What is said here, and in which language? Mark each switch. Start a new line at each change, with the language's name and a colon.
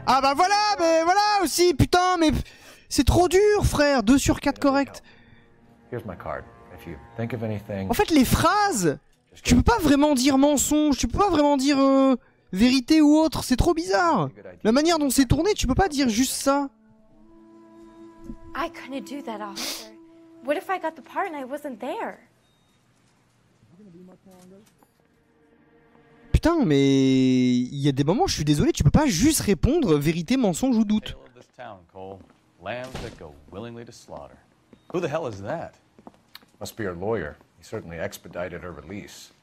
French: Ah bah voilà, mais voilà aussi, putain, mais c'est trop dur, frère. 2 sur 4 correct.
English: Here's my card. If you think of anything.
French: En fait, les phrases, tu peux pas vraiment dire mensonge, tu peux pas vraiment dire vérité ou autre, c'est trop bizarre. La manière dont c'est tourné, tu peux pas dire juste ça.
English: I couldn't do that, officer. What if I got the part and I wasn't there?
French: Putain, mais il y a des moments, je suis désolé, tu peux pas juste répondre vérité, mensonge ou doute.
English: Lambs that go willingly to slaughter. Who the hell is that? Must be her lawyer. He certainly expedited her release.